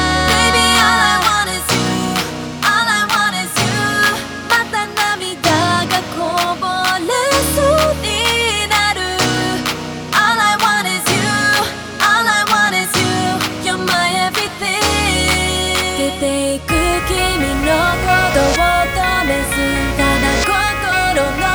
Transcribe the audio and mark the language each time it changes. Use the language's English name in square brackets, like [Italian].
[English] Baby all I want is you, all I want is you。 [Japanese] また涙がこぼれそうになる。 [English] All I want is you, all I want is you, you're my everything。 [Japanese] 出ていく君のことを止めず、ただ心の